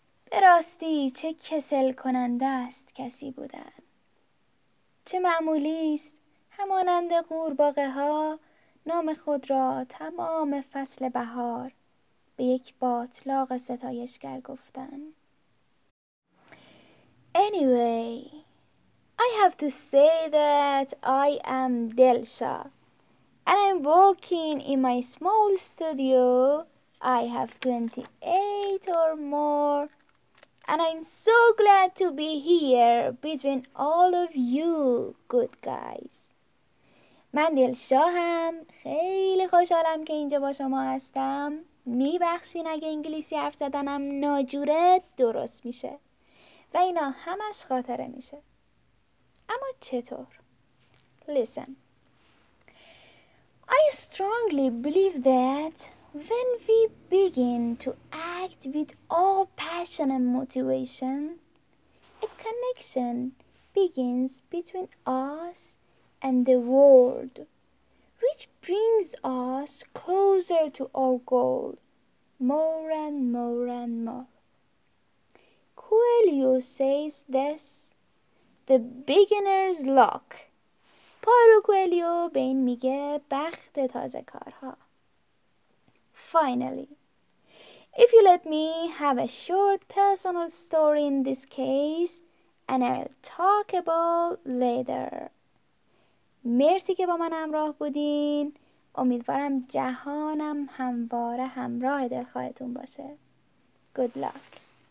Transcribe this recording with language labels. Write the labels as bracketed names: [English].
[Persian] به راستی چه کسل کننده است کسی بودن. چه معمولی است همانند قورباغه ها نام خود را تمام فصل بهار به یک باتلاق ستایشگر گفتن. [English] Anyway, I have to say that I am Delsha and I'm working in my small studio. I have 28 or more, and I'm so glad to be here between all of you good guys. [Persian] من دلشاهم، خیلی خوشحالم که اینجا با شما هستم. میبخشین اگه انگلیسی حرف زدنم ناجوره درست میشه و اینا همش خاطره میشه. اما چطور؟ [English] Listen. I strongly believe that when we begin to act with all passion and motivation, a connection begins between us and the world, which brings us closer to our goal, more and more and more. Coelho says this, the beginner's luck. [Persian] Paulo Coelho بین میگه بخت تازه کارها. [English] Finally, if you let me have a short personal story in this case, and I'll talk about later. [Persian] مرسی که با من همراه بودین. امیدوارم جهانم همواره همراه دلخواهتون باشه. [English] Good luck.